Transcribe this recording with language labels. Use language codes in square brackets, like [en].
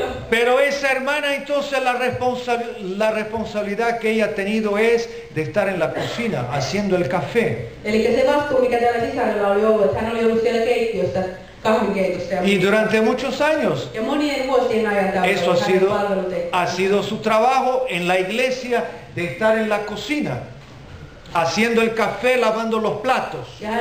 [es] Pero esa hermana, entonces la responsabilidad que ella ha tenido es de estar en la cocina haciendo el café. [fi] Eli que se vastuu, mikä täällä sisarilla oli ollut, että hän oli ollut siellä keittiössä. [es] Y durante muchos años eso ha sido su trabajo en la iglesia, de estar en la cocina haciendo el café, lavando los platos.